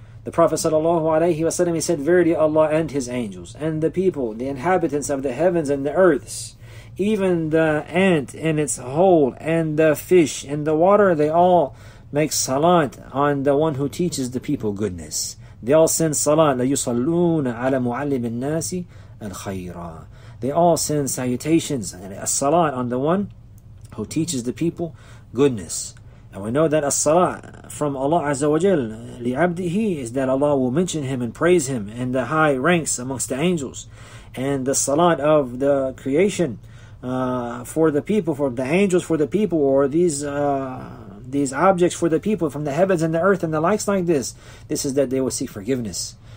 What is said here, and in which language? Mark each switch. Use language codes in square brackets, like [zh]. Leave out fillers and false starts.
[en] The Prophet sallallahu alayhi wa sallam, he said, verily Allah and his angels and the people, the inhabitants of the heavens and the earths, even the ant in its hole and the fish in the water, they all make salat on the one who teaches the people goodness. They all send salat, [ar] ليصلون على معلم الناس الخيرا. [en] They all send salutations and a salat on the one who teaches the people goodness. And we know that a salat from Allah Azza wa Jal li abdihi is that Allah will mention him and praise him in the high ranks amongst the angels. And the salat of the creation for the people, for the angels, for the people, or these objects for the people from the heavens and the earth and the likes like this, this is that they will seek forgiveness.